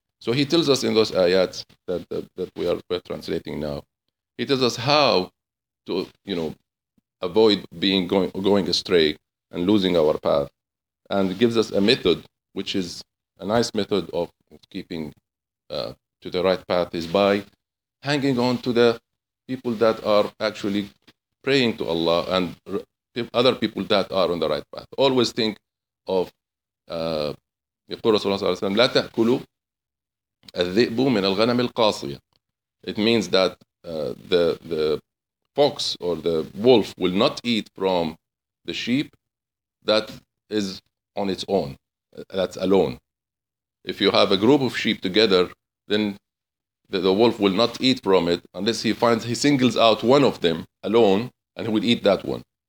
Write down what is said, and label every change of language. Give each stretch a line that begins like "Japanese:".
English: So he tells us in those ayats that we're translating now, he tells us how to, you know, avoid being going astray and losing our path, and gives us a method, which is a nice method of keeping to the right path, is by hanging on to the people that are actually praying to Allah and other people that are on the right path. Always think of
Arabic: لا تأكلوا الذئب من الغنم القاصية.
English: It means that the fox or the wolf will not eat from the sheep that is on its own, that's alone. If you have a group of sheep together, then the wolf will not eat from it unless he singles out one of them alone, and he will eat that one.